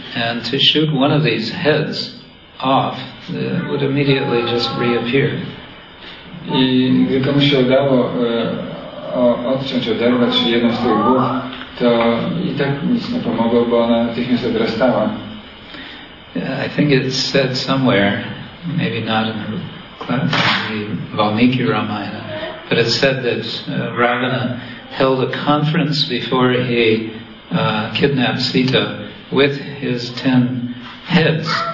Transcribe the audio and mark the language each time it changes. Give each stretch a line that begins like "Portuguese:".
English: And to shoot one of these heads off, would immediately just reappear.
Polish: I gdy komuś się udało odciąć, oderwać jedną z tych głów, to i tak nic nie pomogło, bo ona natychmiast odrastała.
English: I think it's said somewhere, maybe not in the Valmiki Ramayana, but it's said that Ravana held a conference before he kidnapped Sita with his 10 heads.